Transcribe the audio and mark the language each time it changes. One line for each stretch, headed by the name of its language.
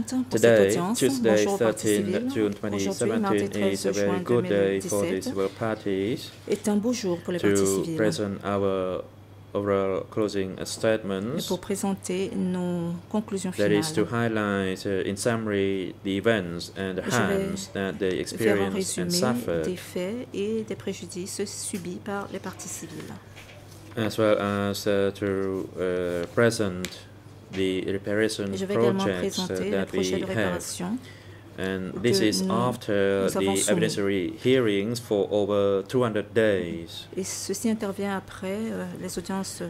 English: Today, Tuesday, 13 June 2017, is a very good day for the civil parties to present our overall closing statements. That is to highlight, in summary, the events and the harms that they experienced and suffered,
French: des faits et des préjudices subis par les parties civiles.
English: As well as to present the reparation projects that we have. And this is after the evidentiary hearings for over 200 days.
French: Et ceci intervient après les audiences